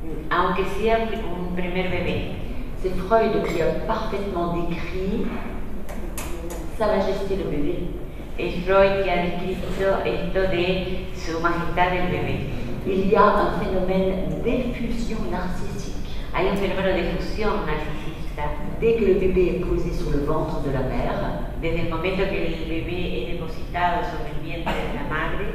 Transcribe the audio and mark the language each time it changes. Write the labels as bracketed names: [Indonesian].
[Spanish] aunque sea un [French] premier bébé. C'est Freud qui a parfaitement décrit sa majesté le bébé. Et Freud qui a décrit [Spanish] esto de su majestad el bébé. [French] Il y a un phénomène d'effusion narcissique. [Spanish] Hay un fenómeno de efusión narcisista. [French] Dès que le bébé est posé sur le ventre de la mère, [Spanish] desde el momento que el bebé es depositado sobre el vientre de la madre,